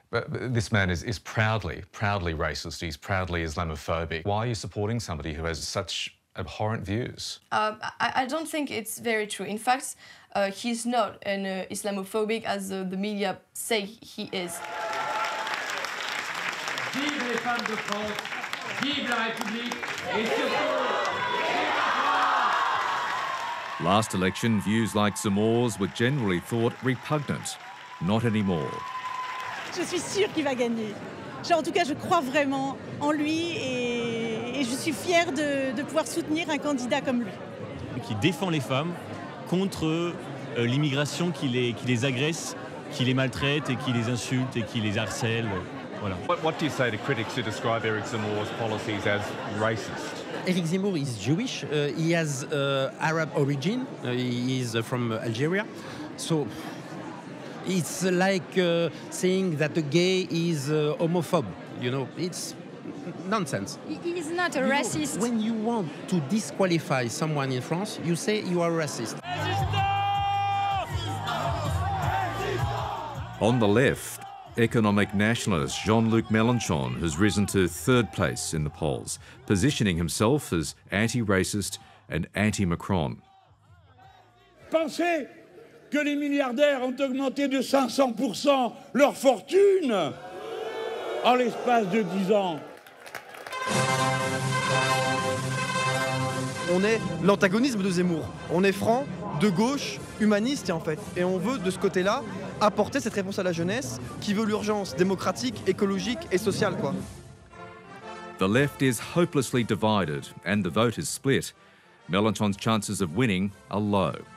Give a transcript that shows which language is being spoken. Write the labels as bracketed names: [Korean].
[English] But this man is proudly racist. He's proudly Islamophobic. Why are you supporting somebody who has such abhorrent views? I don't think it's very true. In fact, he's not an Islamophobic as the media say he is. [French] Vive les femmes de France, vive la République, et surtout... [English] Last election, views like Zemmour's were generally thought repugnant. Not anymore. [French] Je suis sûre qu'il va gagner. Genre, en tout cas, je crois vraiment en lui et je suis fière de pouvoir soutenir un candidat comme lui. Qui défend les femmes contre l'immigration qui les agresse, qui les maltraite et qui les insulte et qui les harcèle. Voilà. [English] What do you say to critics who describe Eric Zemmour's policies as racist? Eric Zemmour is Jewish. He has Arab origin. He is from Algeria. So it's like saying that a gay is homophobe. You know, it's nonsense. He's not a racist. When you want to disqualify someone in France, you say you are racist. On the left, economic nationalist Jean-Luc Mélenchon has risen to third place in the polls, positioning himself as anti-racist and anti-Macron. [French] Pensez que les milliardaires ont augmenté de 500% leur fortune en l'espace de 10 ans. On est l'antagonisme de Zemmour. On est franc, de gauche, humaniste en fait. Et on veut, de ce côté-là, apporter cette réponse à la jeunesse qui veut l'urgence démocratique, écologique et sociale, quoi. [English] The left is hopelessly divided and the vote is split. Mélenchon's chances of winning are low.